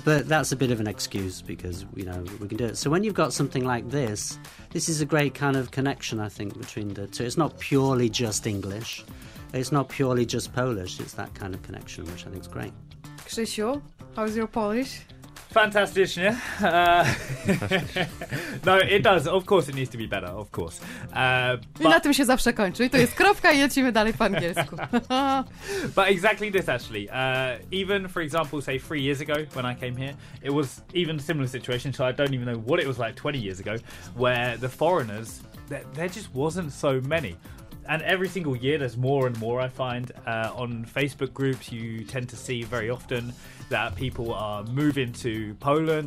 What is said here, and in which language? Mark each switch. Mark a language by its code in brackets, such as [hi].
[en] But that's a bit of an excuse because, you know, we can do it. So when you've got something like this, this is a great kind of connection, I think, between the two. It's not purely just English. It's not purely just Polish. It's that kind of connection, which I think is great. Krzysiu, how's your Polish? [pl] Fantastycznie. [en] No, it does. Of course it needs to be better, of course. [pl] I na tym się zawsze kończy. I to jest kropka i lecimy dalej po angielsku. [en] But exactly this, actually. Even, for example, say 3 years ago when I came here, it was even a similar situation, so I don't even know what it was like 20 years ago, where the foreigners, there just wasn't so many. And every single year, there's more and more, I find. On Facebook groups, you tend to see very often that people are moving to Poland.